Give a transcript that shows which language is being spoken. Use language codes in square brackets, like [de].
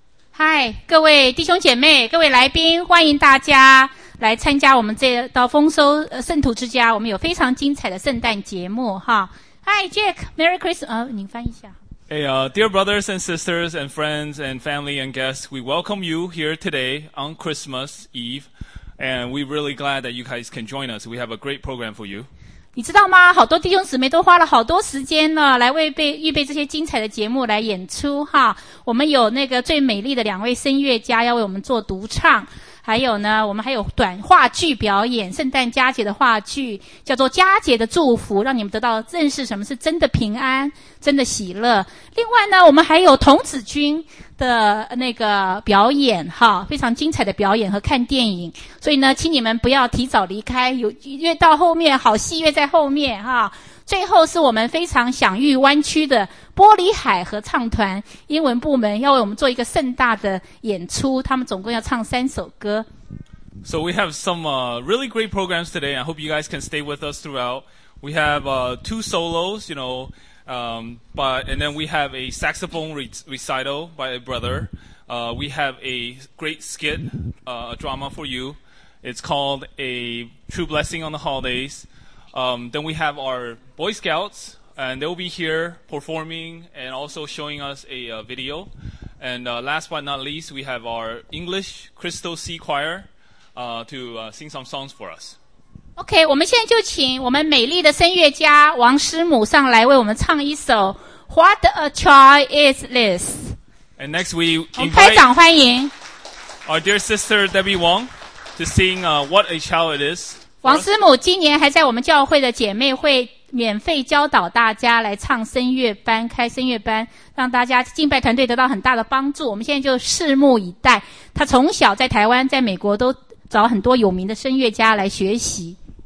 [zh] 嗨，各位弟兄姐妹，各位来宾，欢迎大家来参加我们这道丰收圣徒之家。我们有非常精彩的圣诞节目哈。 [en] Hi, Jack, Merry Christmas！ [zh] 您翻译一下。 [en] Hey, dear brothers and sisters and friends and family and guests, we welcome you here today on Christmas Eve, and we're really glad that you guys can join us. We have a great program for you. [zh] 你知道吗？好多弟兄姊妹都花了好多时间呢，来为备预备这些精彩的节目来演出哈。我们有那个最美丽的两位声乐家要为我们做独唱，还有呢，我们还有短话剧表演，圣诞佳节的话剧叫做《佳节的祝福》，让你们得到认识什么是真的平安、真的喜乐。另外呢，我们还有童子军的那个表演哈，非常精彩的表演和看电影，所以呢，请你们不要提早离开，有越到后面好戏越在后面哈。最后是我们非常享誉湾区的玻璃海合唱团英文部门要为我们做一个盛大的演出，他们总共要唱三首歌。 [en] So we have some really great programs today. I hope you guys can stay with us throughout. We have two solos, you know. And then we have a saxophone recital by a brother. We have a great skit, a drama for you. It's called A True Blessing on the Holidays. Then we have our Boy Scouts, and they'll be here performing and also showing us a video. And last but not least, we have our English Crystal Sea Choir to sing some songs for us. [zh] OK, 我们现在就请我们美丽的声乐家王师母上来为我们唱一首 What a Joy Is This? [en] And next we invite [zh] 开掌欢迎 [en] our dear sister Debbie Wong to sing What a Child It Is. [zh] 王师母今年还在我们教会的姐妹会免费教导大家来唱声乐班，开声乐班，让大家敬拜团队得到很大的帮助。我们现在就拭目以待。他从小在台湾，在美国都找很多有名的声乐家来学习。